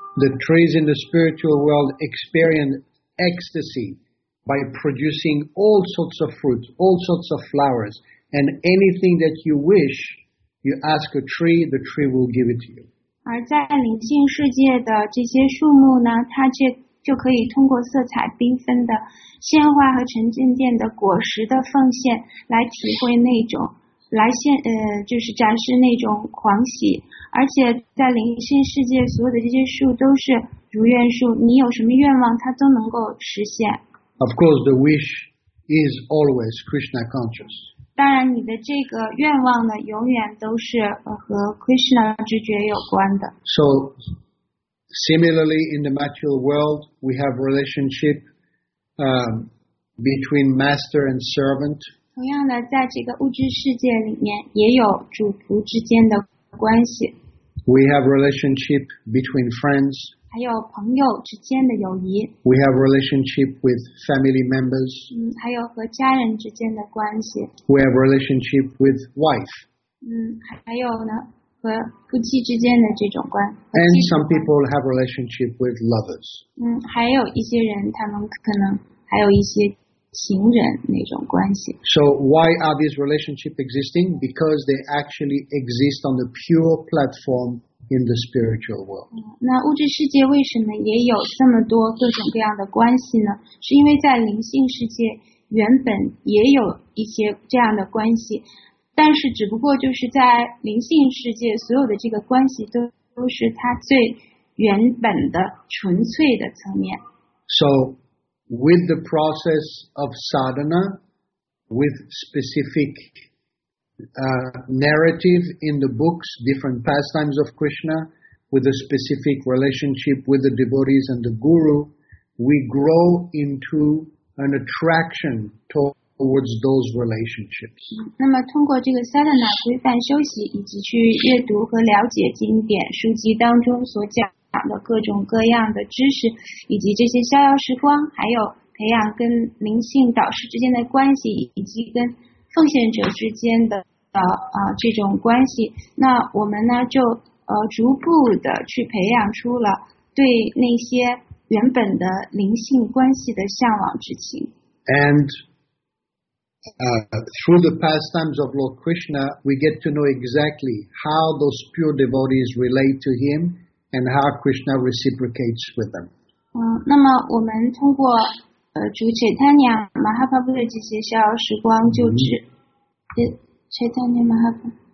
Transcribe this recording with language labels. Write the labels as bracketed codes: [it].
[en] The trees in the spiritual world experience ecstasy by producing all sorts of fruits, all sorts of flowers. And anything that you wish, you ask a tree, the tree will give it to you. [zh] 而在灵性世界的这些树木呢，它却就可以通过色彩缤纷的鲜花和沉甸甸的果实的奉献，来体会那种，就是展示那种狂喜。而且在灵性世界，所有的这些树都是如愿树，你有什么愿望，它都能够实现。 [en] Of course, the wish is always Krishna conscious. [zh] 当然，你的这个愿望呢，永远都是和 Krishna 知觉有关的。 [en] So, similarly, in the material world, we have relationship between master and servant. [zh] 同样的，在这个物质世界里面，也有主仆之间的关系。 [en] We have relationship between friends. [zh] 还有朋友之间的友谊。 [en] We have relationship with family members. [zh] 还有和家人之间的关系。 [en] We have relationship with wife. [zh] 还有呢，和夫妻之间的这种关系。 [en] And some people have relationship with lovers. [zh] 还有一些人，他们可能还有一些情人那种关系。 [en] So why are these relationships existing? Because they actually exist on the pure platform in the spiritual world. [zh] 那物质世界为什么也有这么多各种各样的关系呢？是因为在灵性世界原本也有一些这样的关系，但是只不过就是在灵性世界所有的这个关系都是它最原本的纯粹的层面。 [en] So,With the process of sadhana, with specific narrative in the books, different pastimes of Krishna, with a specific relationship with the devotees and the guru, we grow into an attraction towards those relationships. [zh] 那么通过这个 sadhana 规范修习，以及去阅读和了解经典书籍当中所讲的各种各样的知识，以及这些逍遥时光，还有培养跟灵性导师之间的关系，以及跟奉献者之间的这种关系，那我们呢就逐步的去培养出了对那些原本的灵性关系的向往之情。 [en] And through the pastimes of Lord Krishna, we get to know exactly how those pure devotees relate to him. And how Krishna reciprocates with them. [zh] 那么我们通过主 Chaitanya Mahaprabhu 的这些逍遥时光，就指 Chaitanya Mahaprabhu.